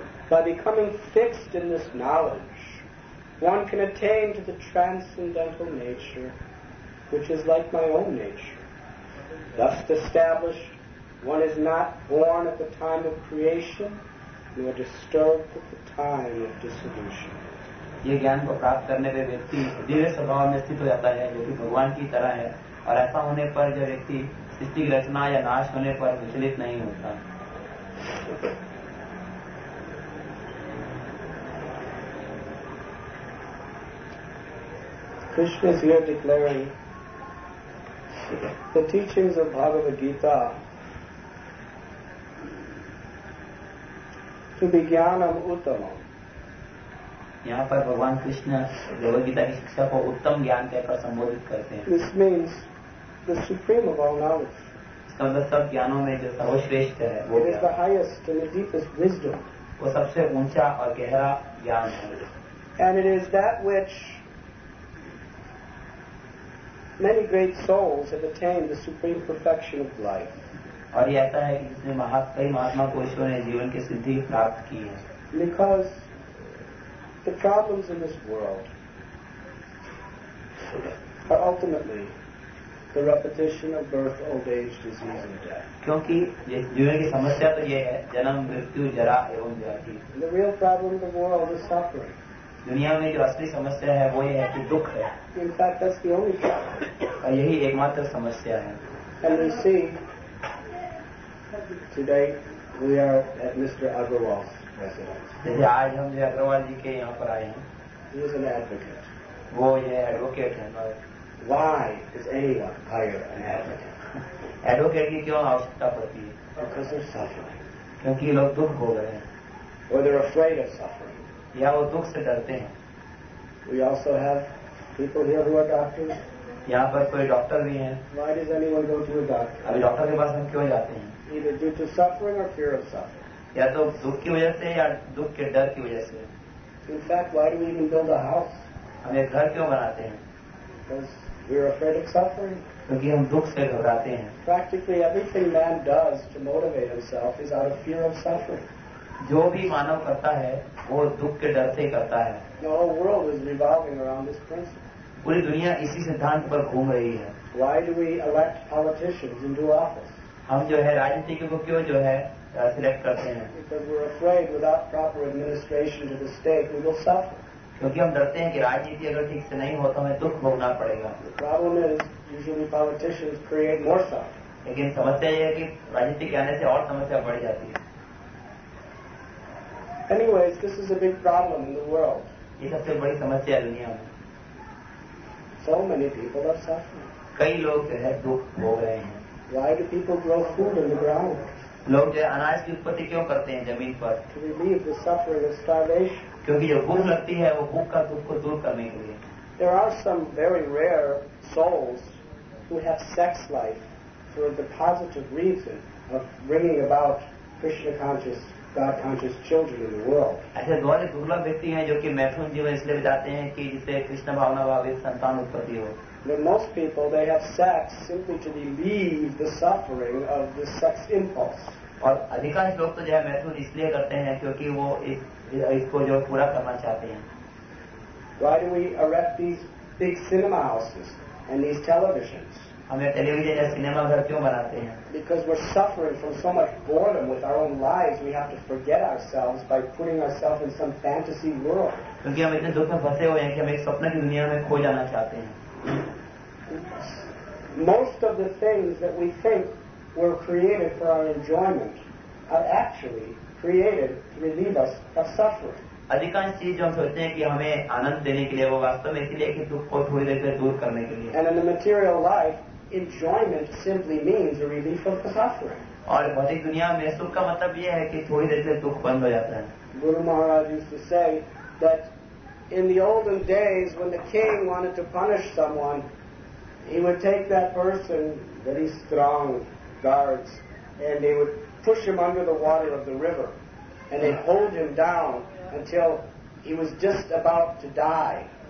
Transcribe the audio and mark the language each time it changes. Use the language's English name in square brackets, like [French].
[English] By becoming fixed in this knowledge, one can attain to the transcendental nature, which is like my own nature. Thus established, one is not born at the time of creation, nor disturbed at the time of dissolution. [Hindi] ये ज्ञान को प्राप्त करने पर व्यक्ति दिव्य स्वभाव में स्थित हो जाता है जो कि भगवान की तरह है और ऐसा होने पर जो व्यक्ति स्थिति की रचना या नाश होने पर विचलित नहीं होता. [English] Krishna is here declaring the teachings of Bhagavad Gita to be jnanam uttamam. [Hindi] यहाँ पर भगवान कृष्ण भगवद गीता की शिक्षा को उत्तम ज्ञान कहकर संबोधित करते हैं. [English] This means the supreme of all knowledge. [Hindi] इसका मतलब सब ज्ञानों में जो सर्वश्रेष्ठ है वो [English] is the highest and the deepest wisdom. [Hindi] वो सबसे ऊंचा और गहरा ज्ञान है. [English] And it is that which many great souls have attained the supreme perfection of life. [Hindi] और ये ऐसा है कि जितने कई महात्मा पुरुषों ने जीवन की सिद्धि प्राप्त की है. [English] Because the problems in this world are ultimately the repetition of birth, old age, disease, and death. [Hindi] क्योंकि जीवन की समस्या तो ये है जन्म मृत्यु जरा एवं व्याधि. [English] The real problem of the world is suffering. [Hindi] दुनिया में जो असली समस्या है वो ये है कि दुख है. [English] In fact, that's the only problem. [Hindi] और यही एकमात्र समस्या है. [English] And we see today we are at Mr. Agarwal's residence. [Hindi] आज हम जो अग्रवाल जी के यहाँ पर आए हैं. [English] He is an advocate. [Hindi] वो ये एडवोकेट है. [English] Why is anyone hire an advocate? [Hindi] Advocate की क्यों आवश्यकता पड़ती है? [English] Because they're suffering. [Hindi] क्योंकि लोग दुख भोग रहे हैं. [English] Or they're afraid of suffering. [Hindi] या वो दुख से डरते हैं. [English] We also have people here who are doctors. [Hindi] यहाँ पर कोई डॉक्टर भी हैं. [English] Why does anyone go to a doctor? [Hindi] अभी डॉक्टर के पास हम क्यों जाते हैं? [English] Either due to suffering or fear of suffering. [Hindi] या तो दुख की वजह से या दुख के डर की वजह से. [English] In fact, why do we even build a house? [Hindi] हम एक घर क्यों बनाते हैं? [English] Because we're afraid of suffering. [Hindi] क्योंकि हम दुख से घबराते हैं. [English] Practically everything man does to motivate himself is out of fear of suffering. [Hindi] जो भी मानव करता है वो दुख के डर से करता है. [English] The whole world is revolving around this principle. [Hindi] पूरी दुनिया इसी सिद्धांत पर घूम रही है. [English] Why do we elect politicians into office? [Hindi] हम जो है राजनीतिज्ञों को क्यों जो है सिलेक्ट करते हैं? [English] Because we're afraid without proper administration to the state we will suffer. [Hindi] क्योंकि हम डरते हैं कि राजनीति अगर ठीक से नहीं हो तो हमें दुख भोगना पड़ेगा. [English] The problem is usually politicians create more suffering. [Hindi] लेकिन समस्या ये है कि राजनीति के आने से और समस्या बढ़ जाती है. [English] Anyways, this is a big problem in the world. [Hindi] ये सबसे बड़ी समस्या है दुनिया में. [English] So many people are suffering. [Hindi] कई लोग जो है दुख भोग रहे हैं. [English] Why do people grow food in the ground? [Hindi] लोग जो है अनाज की उत्पत्ति क्यों करते हैं जमीन पर? [English] To relieve the suffering of starvation. [Hindi] क्योंकि जो भूख लगती है वो भूख का दुख को दूर करने के लिए. [English] There are some very rare souls who have sex life for the positive reason of bringing about Krishna conscious, God conscious children in the world. [Hindi] ऐसे बहुत दुर्लभ व्यक्ति हैं जो कि मैथुन जीवन इसलिए बिताते हैं कि जिससे कृष्ण भावना वाले संतान उत्पत्ति हो. [English] But most people, they have sex simply to relieve the suffering of the sex impulse. [Hindi] और अधिकांश लोग तो जो है मैथुन इसलिए करते हैं क्योंकि वो इसको जो पूरा करना चाहते हैं. [English] Why do we erect these big cinema houses and these televisions? [Hindi] हम ये टेलीविजन या सिनेमा घर क्यों बनाते हैं? [English] Because we're suffering from so much boredom with our own lives, we have to forget ourselves by putting ourselves in some fantasy world. [Hindi] क्योंकि हम इतने दुख में फंसे हुए हैं कि हम एक सपने की दुनिया में खो जाना चाहते हैं. [English] Most of the things that we think were created for our enjoyment are actually created to relieve us of suffering. [Hindi] अधिकांश चीज जो हम सोचते हैं कि हमें आनंद देने के लिए वो वास्तव में इसलिए कि दुख को थोड़ी देर से दूर करने के लिए. [English] And in the material life, enjoyment simply means a relief of the suffering. [Hindi] और भौतिक दुनिया में सुख का मतलब ये है कि थोड़ी देर से दुख बंद हो जाता है. [English] Guru Maharaj used to say that in the olden days when the king wanted to punish someone, he would take that person, very strong guards, and they would push him under the water of the river, and they'd hold him down until he was just about to die.